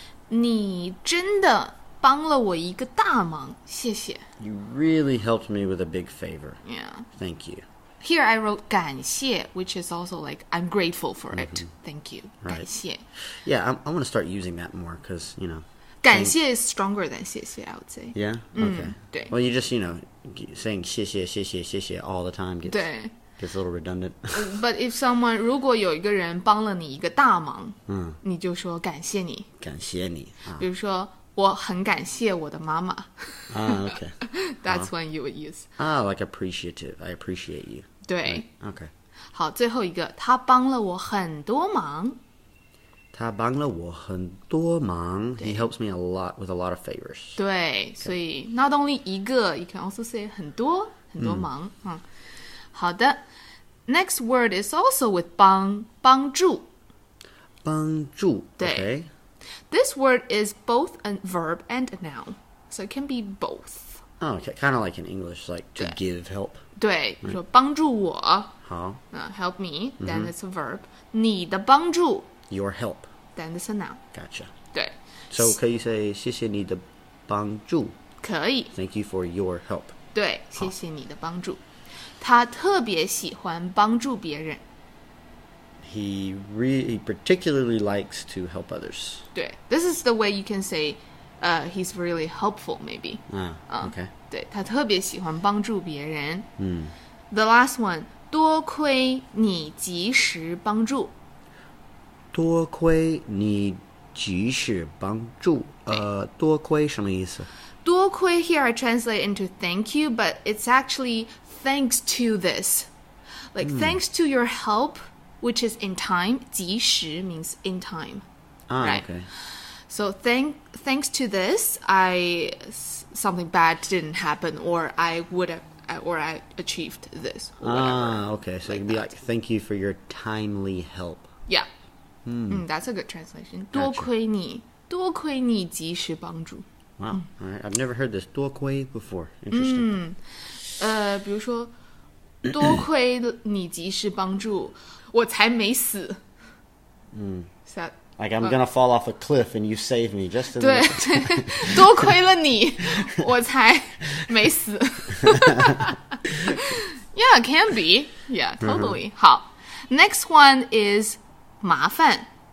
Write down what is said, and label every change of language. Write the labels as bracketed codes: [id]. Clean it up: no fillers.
[zh] 你真的帮了我一个大忙，谢谢。 [en] You really helped me with a big favor. Yeah. Thank you. here I wrote 感谢, which is also like, I'm grateful for it. Mm-hmm. Thank you. Right. [zh] 感谢. [en] Yeah, I want to start using that more because, you know. 感谢 is stronger than 谢谢, I would say. Yeah? Okay. Well, you just, you know, saying 谢谢, 谢谢, 谢谢 all the time gets a little redundant. But if someone, [zh] 如果有一个人帮了你一个大忙, 你就说感谢你。感谢你。比如说,我很感谢我的妈妈。 [en] Okay. That's one you would use. Oh, like appreciative. I appreciate you. [zh] 对。 [en] Okay. [zh] 好,最后一个,他帮了我很多忙。他帮了我很多忙。 [en] He helps me a lot with a lot of favors. [zh] 对,所以 [en] not only 一个, you can also say [zh] 很多,很多忙。好的。 [en] Next word is also with 帮,帮助。 [zh] 帮助, 对。 [en] This word is both a verb and a noun, so it can be both. Oh, okay, kind of like in English, like to give help. 对, right. [zh] 说帮助我, [en] help me, then it's a verb. [zh] 你的帮助, [en] your help, then it's a noun. Gotcha. [zh] 对. [en] So, can you say, 谢谢你的帮助? [zh] 可以. [en] Thank you for your help. [zh] 对, 谢谢你的帮助.他特别喜欢帮助别人。 [en] He particularly likes to help others. 对, this is the way you can say he's really helpful, maybe. Okay. [zh] 对, 他特别喜欢帮助别人。 [en] The last one, [zh] 多亏你及时帮助。多亏你及时帮助。多亏什么意思? [en] 多亏 here I translate into thank you, but it's actually thanks to this. Like, thanks to your help... which is in time, 及时 means in time. Okay. So thanks to this, something bad didn't happen, or I would have, or I achieved this. Okay, so like it could be like, thank you for your timely help. Yeah. That's a good translation. Gotcha. [zh] 多亏你,多亏你及时帮助。 [en] Wow, all right. I've never heard this, 多亏 before. Interesting. [zh] 比如说,多亏你及时帮助。我才没死。 [en] Like, I'm gonna fall off a cliff and you save me just in [zh] 对, [en] the [zh] time. 多亏了你,我才没死。 [en] Yeah, can be. Yeah, totally. 好, next one is 麻烦。